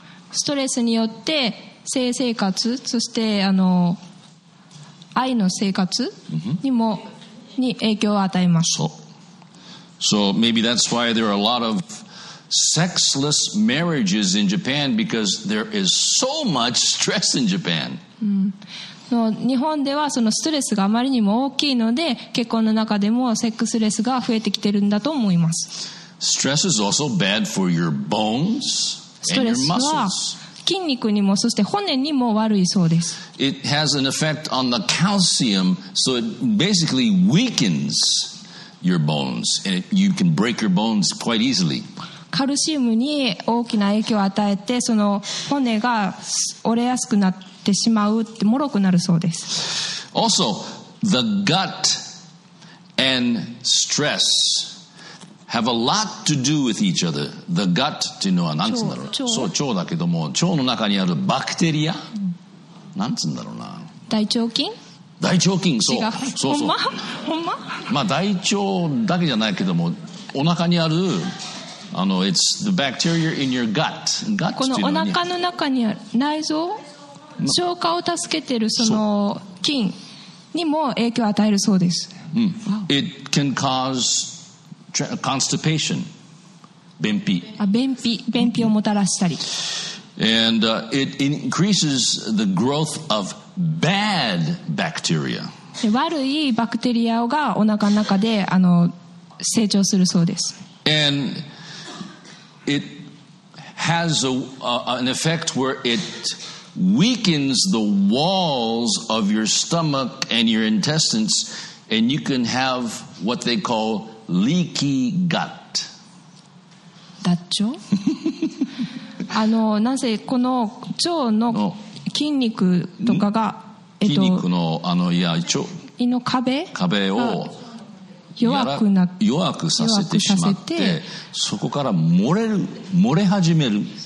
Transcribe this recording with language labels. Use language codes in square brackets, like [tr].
[ja] ストレスによって性生活、そして愛の生活にも、mm-hmm. に影響を与えます。 [en] So, so maybe that's why there are a lot of sexless marriages in Japan, because there is so much stress in Japan.、 Mm. [ja] 日本ではそのストレスがあまりにも大きいので、結婚の中でもセックスレスが増えてきてるんだと思います。 [en] Stress is also bad for your bones and your muscles. [ja] ストレスは筋肉にも、そして骨にも悪いそうです。 [en] It has an effect on the calcium, so it basically weakens your bones, and you can break your bones quite easily. [ja] カルシウムに大きな影響を与えて、その骨が折れやすくなってしまうって、もろくなるそうです。 [en] Also, the gut and stress have a lot to do with each other. The gut [ja] っていうのは何つんだろう、そう、腸だけども、腸の中にあるバクテリア、うん、何つんだろうな、大腸菌、大腸菌、そう、違う、そうそう、ほんま、ほんま、まあ大腸だけじゃないけども、お腹にある [en] It's the bacteria in your gut. [ja] このお腹の中にある内臓、消化を助けているその菌にも影響を与えるそうです。 [en] Mm. Wow. It can cause constipation, 便秘。 [ja] あ、便秘、便秘をもたらしたり。 [en] And it increases the growth of bad bacteria. [ja] 悪いバクテリアがお腹の中で成長するそうです。 [en] And it has an effect where it weakens the walls of your stomach and your intestines, and you can have what they call leaky gut. [ja] だっちょ？なぜこの腸の筋肉とかが、筋肉の腸、胃の壁？壁を弱くさせてしまって、そこから漏れる、漏れ始める、